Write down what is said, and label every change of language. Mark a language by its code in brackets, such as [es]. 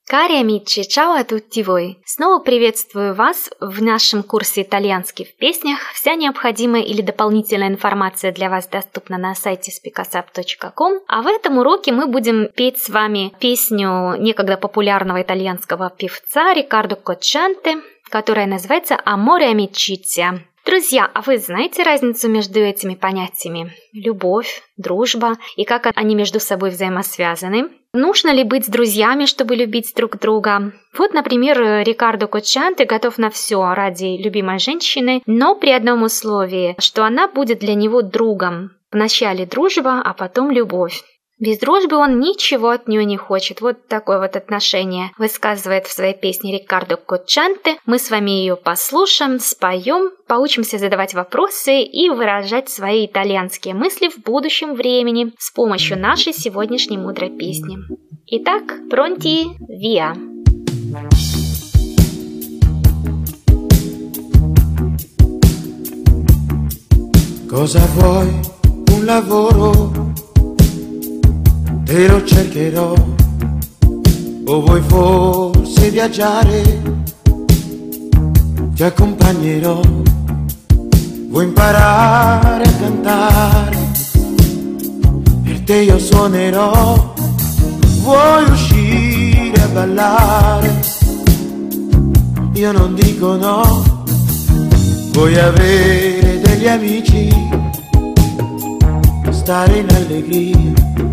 [it] Cari amici, ciao a tutti voi! [ru] Снова приветствую вас в нашем курсе «Итальянский в песнях». Вся необходимая или дополнительная информация для вас доступна на сайте speakasap.com. А в этом уроке мы будем петь с вами песню некогда популярного итальянского певца Рикардо Кочанте, которая называется «Amore amicizia». Друзья, а вы знаете разницу между этими понятиями? Любовь, дружба и как они между собой взаимосвязаны? Нужно ли быть друзьями, чтобы любить друг друга? Вот, например, Рикардо Кочанте готов на все ради любимой женщины, но при одном условии, что она будет для него другом. Вначале дружба, а потом любовь. Без дружбы он ничего от нее не хочет. Вот такое вот отношение высказывает в своей песне Рикардо Кочанте. Мы с вами ее послушаем, споем, поучимся задавать вопросы и выражать свои итальянские мысли в будущем времени с помощью нашей сегодняшней мудрой песни. Итак, [it] pronti via! Cosa vuoi un lavoro? Te lo cercherò, o vuoi forse viaggiare, ti accompagnerò, vuoi imparare a cantare, per te io suonerò, vuoi uscire a ballare, io non dico no, vuoi avere degli amici, stare in allegria.